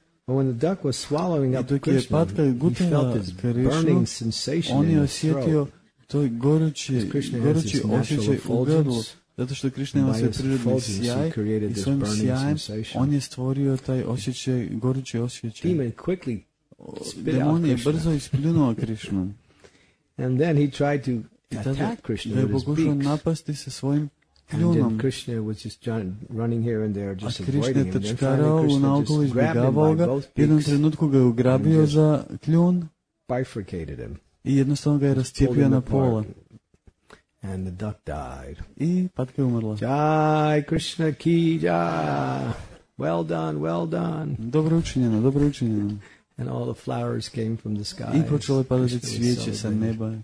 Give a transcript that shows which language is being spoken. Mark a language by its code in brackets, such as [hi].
[en] When the duck was swallowing up Krishna, [hr] je patka gutala Krishnu, on je osjetio to gorući osjećaj u grlu. Zato što Krishna ima svoj prirodni sjaj i svojim sjajem on je stvorio taj osjećaj, gorući osjećaj. [en] Demon quickly spit [hr] demon [en] out [hr] je brzo ispljunuo Krishnu. [en] And then he tried to attack Krishna with his beak. [hr] Pokušao napasti sa svojim kljunom. [en] And Krishna was just running here and there, just [hr] a Krishna tačkarao u naoko izbjegavao ga. Jednom trenutku ga je ugrabio za kljun [en] bifurcated him. [hr] I jednostavno ga je rastijepio na pola. [en] And the duck died. [hr] I patka umrla. [hi] Jai Krishna ki jai. [en] Well done, well done. [hr] Dobro učinjeno, dobro učinjeno. [en] And all the flowers came from the sky. [hr] I počelo je padati cvijeće sa neba.